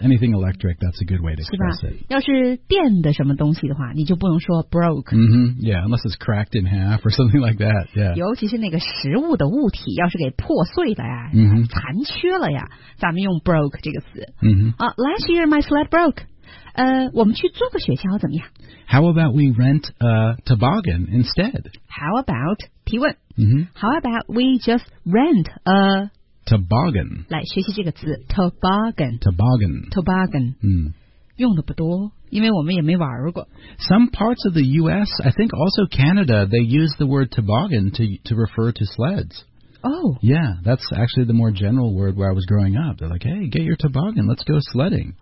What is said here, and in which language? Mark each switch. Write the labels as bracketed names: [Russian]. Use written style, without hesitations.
[English] Anything electric, that's a good way to express it. [Chinese] 要是电的什么东西的话，你就不能说 broke. Mm-hmm. [English] Yeah, unless it's cracked in half or something like that. Yeah. [Chinese] 尤其是那个食物的物体，要是给破碎了呀，残缺了呀，咱们用 broke 这个词。 [English] Last year my sled broke. [Chinese] 我们去租个雪橇怎么样？ [English] How about we rent a toboggan instead? How about, 提问、 mm-hmm. How about we just rent a toboggan? [Chinese] 来学习这个词 toboggan. [English] Toboggan. Toboggan.、 Mm. [Chinese] 用的不多因为我们也没玩过。 [English] Some parts of the U.S., I think also Canada, they use the word toboggan to refer to sleds. Oh. Yeah, that's actually the more general word where I was growing up. They're like, hey, get your toboggan, let's go sledding.